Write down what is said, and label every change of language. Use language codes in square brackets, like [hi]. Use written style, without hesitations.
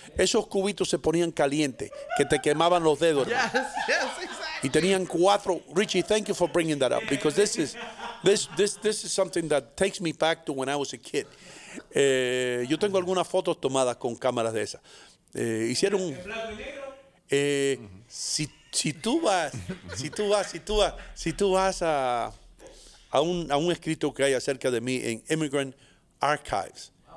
[es] Esos cubitos se ponían calientes, que te quemaban los dedos. [en] Yes, exactly. [es] Y tenían cuatro... [en] Richie, thank you for bringing that up. Because this is something that takes me back to when I was a kid. [es] Yo tengo algunas fotos tomadas con cámaras de esas. Hicieron si tú vas a un escrito que hay acerca de mí en Immigrant Archives.